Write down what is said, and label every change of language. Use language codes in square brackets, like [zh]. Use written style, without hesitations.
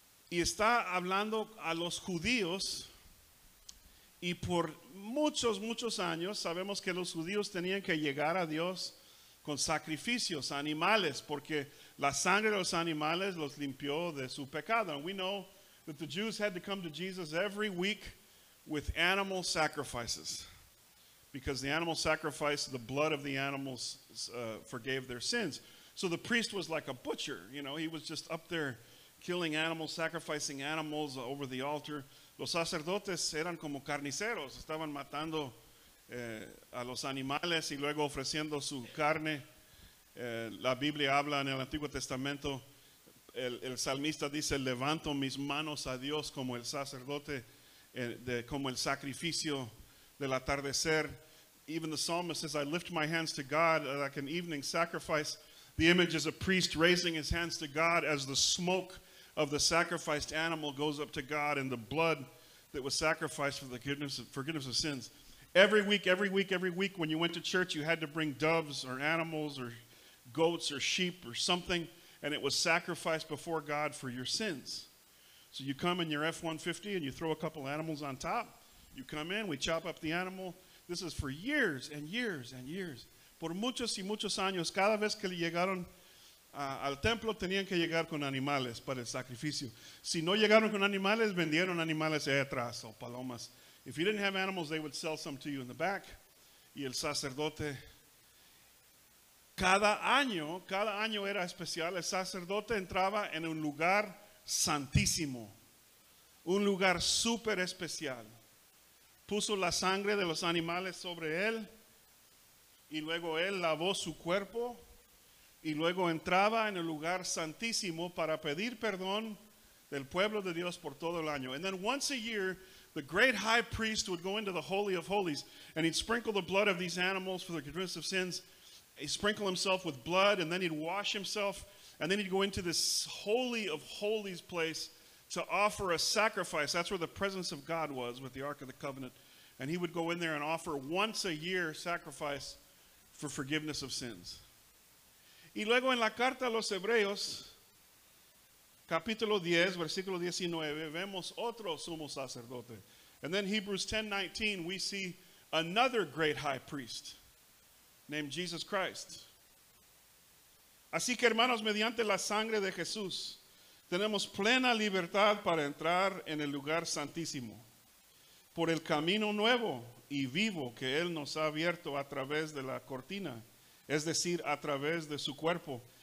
[es] Y está hablando a los judíos, y por muchos, muchos años, sabemos que los judíos tenían que llegar a Dios con sacrificios, animales, porque la sangre de los animales los limpió de su pecado. [en] And we know that the Jews had to come to Jesus every week with animal sacrifices, because the animal sacrifice, the blood of the animals forgave their sins. So the priest was like a butcher, you know, he was just up there killing animals, sacrificing animals over the altar. [es] Los sacerdotes eran como carniceros, estaban matando a los animales y luego ofreciendo su carne. La Biblia habla en el Antiguo Testamento, el salmista dice, levanto mis manos a Dios como el sacerdote, como el sacrificio del atardecer. [en] Even the psalmist says, I lift my hands to God like an evening sacrifice. The image is a priest raising his hands to God as the smoke of the sacrificed animal goes up to God and the blood that was sacrificed for the forgiveness of sins. Every week, when you went to church, you had to bring doves or animals or goats or sheep or something, and it was sacrificed before God for your sins. So you come in your F-150 and you throw a couple animals on top. You come in, we chop up the animal. This is for years and years and years. [es] Por muchos y muchos años, cada vez que llegaron al templo, tenían que llegar con animales para el sacrificio. Si no llegaron con animales, vendieron animales ahí atrás o palomas. [en] If you didn't have animals, they would sell some to you in the back. [es] Y el sacerdote, cada año era especial. El sacerdote entraba en un lugar santísimo, un lugar súper especial. Puso la sangre de los animales sobre él, y luego él lavó su cuerpo, y luego entraba en el lugar santísimo para pedir perdón del pueblo de Dios por todo el año. [en] And then once a year, the great high priest would go into the Holy of Holies, and he'd sprinkle the blood of these animals for the forgiveness of sins. He'd sprinkle himself with blood, and then he'd wash himself, And then he'd go into this holy of holies place to offer a sacrifice. That's where the presence of God was with the Ark of the Covenant. And he would go in there and offer once a year sacrifice for forgiveness of sins. [es] Y luego en la carta a los Hebreos, capítulo 10, versículo 19, vemos otro sumo sacerdote. [en] And then Hebrews 10, 19, we see another great high priest named Jesus Christ. [es] Así que hermanos, mediante la sangre de Jesús, tenemos plena libertad para entrar en el lugar santísimo. Por el camino nuevo y vivo que Él nos ha abierto a través de la cortina, es decir, a través de su cuerpo.